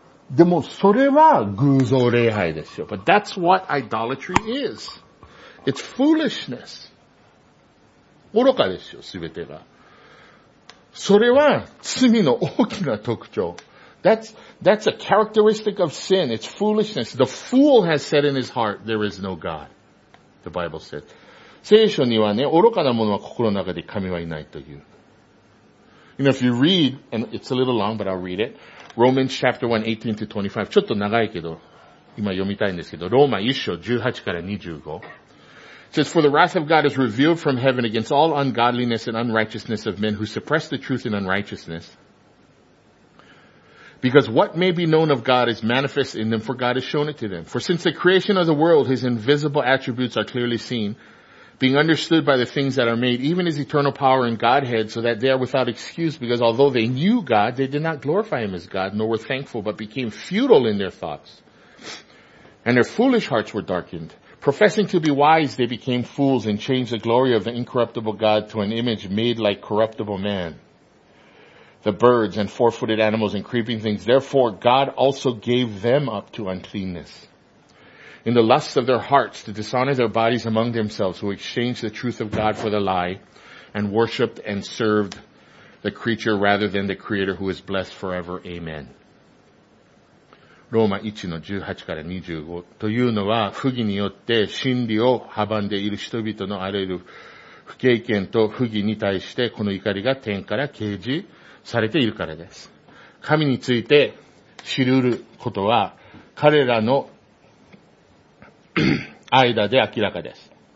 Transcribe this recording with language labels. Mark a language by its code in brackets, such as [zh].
[ja] でもそれは偶像礼拝ですよ。 [en] But that's what idolatry is. It's foolishness. [ja] 愚かですよ、すべてが。それは罪の大きな特徴。 [en] That's a characteristic of sin. It's foolishness. The fool has said in his heart, there is no God. The Bible said. [ja] 聖書にはね、愚かな者は心の中で神はいないという。 [en] You know, if you read, and it's a little long, but I'll read it. Romans chapter 1, 18 to 25. [ja] ちょっと長いけど、今読みたいんですけど、ローマ1章18から25。 [en] It says, for the wrath of God is revealed from heaven against all ungodliness and unrighteousness of men who suppress the truth in unrighteousness. Because what may be known of God is manifest in them, for God has shown it to them. For since the creation of the world, his invisible attributes are clearly seen, being understood by the things that are made, even his eternal power and Godhead, so that they are without excuse, because although they knew God, they did not glorify him as God, nor were thankful, but became futile in their thoughts. And their foolish hearts were darkened. Professing to be wise, they became fools and changed the glory of the incorruptible God to an image made like corruptible man, the birds and four-footed animals and creeping things. Therefore, God also gave them up to uncleanness. In the lusts of their hearts, to dishonor their bodies among themselves, who exchanged the truth of God for the lie and worshipped and served the creature rather than the Creator who is blessed forever. Amen. [ja] ローマ1の18から25というのは、不義によって真理を阻んでいる人々のあらゆる不敬虔と不義に対して、この怒りが天から啓示されているからです。神について知るうることは、彼らの間で明らかです。